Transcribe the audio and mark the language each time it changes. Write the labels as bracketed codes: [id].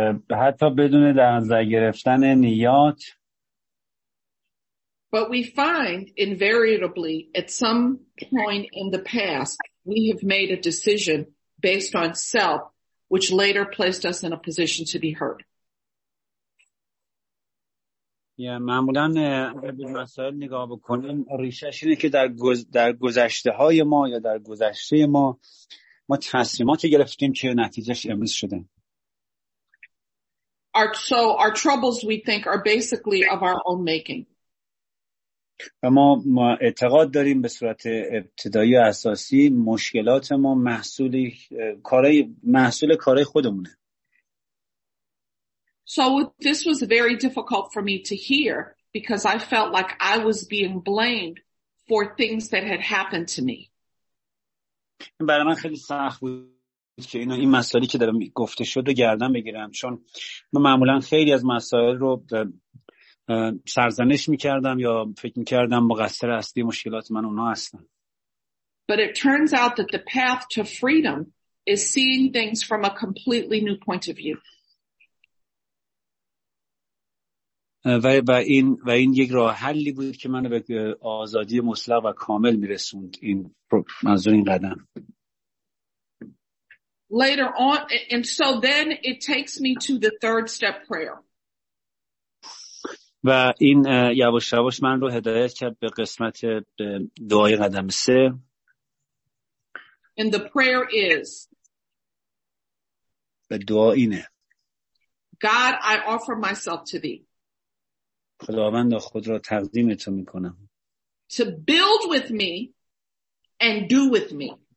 [fa] حتی بدون در نظر گرفتن نیات. [en] But we find invariably at some point in the past we have made a decision based on self which later placed us in a position to be hurt. [fa] Yeah, معمولا به مسائل نگاه بکنیم ریشه‌اش اینه که در گذشته های ما یا در گذشته ما تصمیماتی گرفتیم که نتیجهش امروز شده. [en] So our troubles we think are basically of our own making. [fa] ما اعتقاد داریم به صورت ابتدایی و اساسی مشکلات ما محصول کارهای خودمونه. [en] So this was very difficult for me to hear because I felt like I was being blamed for things that had happened to me. [fa] برای من خیلی سخت بود که این مسائلی که دارم گفته شد رو گردن بگیرم، چون من معمولا خیلی از مسائل رو سرزنش میکردم یا فکر میکردم مقصر اصلی مشکلات من اونا هستن. [en] But it turns out that the path to freedom is seeing things from a completely new point of view. [fa] و این یک راه حلی بود که منو به آزادی مطلق و کامل میرسوند، این منظور این قدم. [en] Later on, and so then it takes me to the third step prayer. [fa] و این یواش یواش من رو هدایت کرد به قسمت دعای قدم سه. [en] And the prayer is. [fa] به دعا اینه. [en] God, I offer myself to thee. [fa] خداوند خود را تقدیم تو می کنم. [en] To build with me and do with me.